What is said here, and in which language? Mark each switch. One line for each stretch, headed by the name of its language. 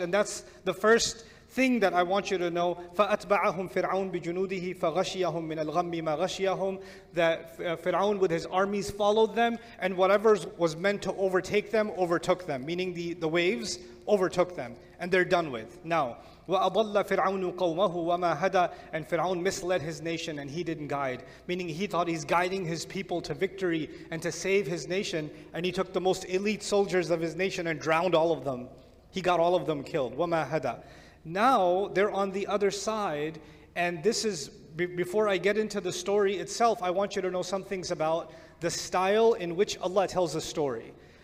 English: And that's the first thing that I want you to know.
Arabic: فَأَتْبَعَهُمْ فِرْعَوْنْ بِجُنُودِهِ فَغَشِيَهُمْ مِنَ الْغَمِّ مَا غَشِيَهُمْ.
English: That Fir'aun with his armies followed them, and whatever was meant to overtake them, overtook them. Meaning the waves overtook them, and they're done with. Now,
Arabic: وَأَضَلَّ فِرْعَوْنُ قَوْمَهُ وَمَا هَدَى.
English: And Fir'aun misled his nation, and he didn't guide. Meaning he thought he's guiding his people to victory and to save his nation, and he took the most elite soldiers of his nation and drowned all of them. He got all of them killed.
Arabic: وَمَا هَدَى.
English: Now, they're on the other side, and this is, before I get into the story itself, I want you to know some things about the style in which Allah tells a story.